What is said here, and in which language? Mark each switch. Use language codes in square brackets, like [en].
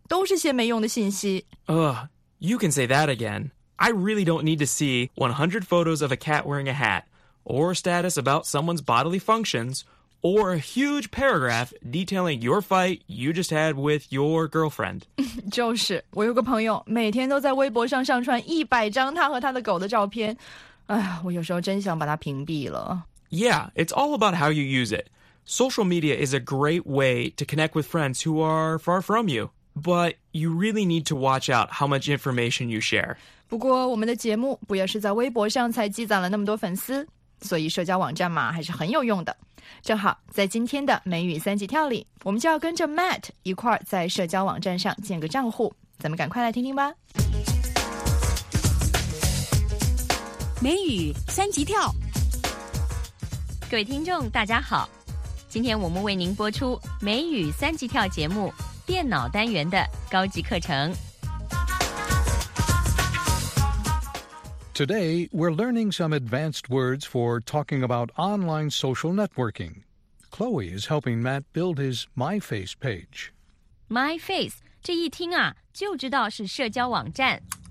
[zh] 都是些没用的信息。 [en] Ugh, you can say that again. I really don't need to see 100 photos of a cat wearing a hat, or a status about someone's bodily functions, or a huge paragraph detailing your fight you just had with your girlfriend. [zh] 就是，我有个朋友每天都在微博上上传100张他和他的狗的照片。哎，我有时候真想把他屏蔽了。 [en] Yeah, it's all about how you use it. Social media is a great way to connect with friends who are far from you. But you really need to watch out how much information you share. [zh] 不过我们的节目不也是在微博上才积攒了那么多粉丝？所以社交网站嘛，还是很有用的。正好在今天的美语三级跳里，我们就要跟着 Matt 一块儿在社交网站上建个账户。咱们赶快来听听吧。美语三级跳，各位听众大家好，今天我们为您播出美语三级跳节目电脑单元的高级课程。 [en] Today, we're learning some advanced words for talking about online social networking. Chloe is helping Matt build his MyFace page. [zh] MyFace, 这一听啊，就知道是社交网站。